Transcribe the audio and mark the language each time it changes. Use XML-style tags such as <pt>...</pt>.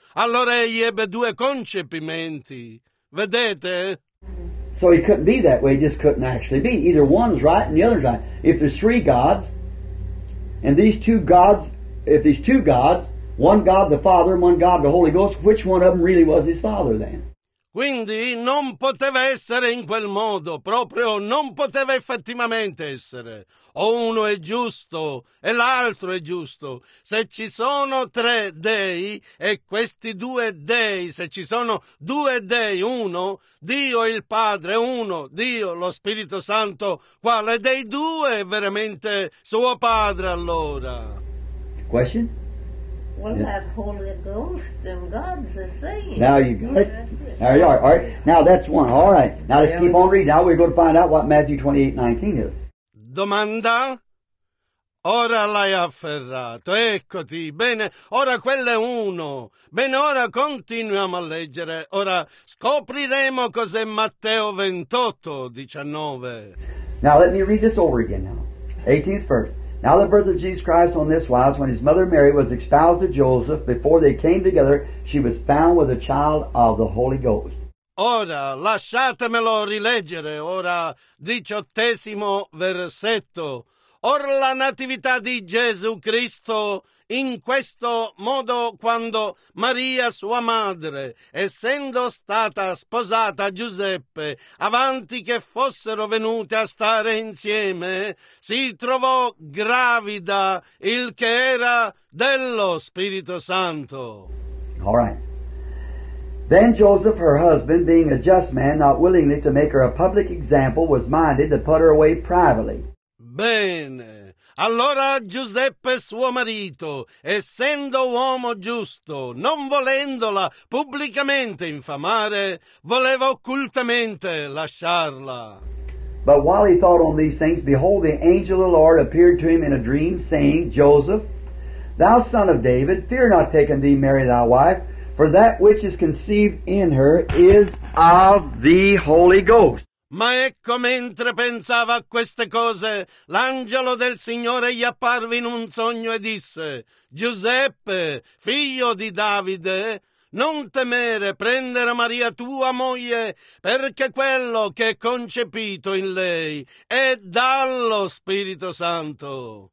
<it>Allora egli ebbe due concepimenti. Vedete?</it> <en>So he couldn't be that way, he just couldn't actually be. Either one's right and the other's right. If there's three gods, and these two gods, if these two gods, one God the Father and one God the Holy Ghost, which one of them really was his father then?</en> <it>Quindi non poteva essere in quel modo, proprio non poteva effettivamente essere. O uno è giusto e l'altro è giusto. Se ci sono tre dei e questi due dei, se ci sono due dei, uno, Dio il Padre, uno, Dio lo Spirito Santo, quale dei due è veramente suo padre allora?</it> <en>Question? Well, that Holy Ghost and God's the same. Now you got it. There you are. All right. Now that's one. All right. Now let's keep on reading. Now we're going to find out what Matthew 28:19 is.</en> <it>Domanda. Ora l'hai afferrato. Eccoti. Bene. Ora quello è uno. Bene. Ora continuiamo a leggere. Ora scopriremo cos'è Matteo 28:19.</it> <en>Now let me read this over again now. 18th verse. Now the birth of Jesus Christ on this wise, when his mother Mary was espoused to Joseph, before they came together, she was found with a child of the Holy Ghost.</en> <it>Ora, lasciatemelo rileggere, ora, 18° versetto. Or la natività di Gesù Cristo, in questo modo, quando Maria, sua madre, essendo stata sposata a Giuseppe, avanti che fossero venute a stare insieme, si trovò gravida, il che era dello Spirito Santo.</it> <en>All right. Then Joseph, her husband, being a just man, not willingly to make her a public example, was minded to put her away privately.</en> <it>Bene. Allora Giuseppe, suo marito, essendo uomo giusto, non volendola pubblicamente infamare, voleva occultamente lasciarla.</it> <en>But while he thought on these things, behold, the angel of the Lord appeared to him in a dream, saying, Joseph, thou son of David, fear not taking thee Mary thy wife, for that which is conceived in her is of the Holy Ghost.</en> <it>Ma ecco, mentre pensava a queste cose, l'angelo del Signore gli apparve in un sogno e disse, Giuseppe, figlio di Davide, non temere prendere Maria tua moglie, perché quello che è concepito in lei è dallo Spirito Santo.</it>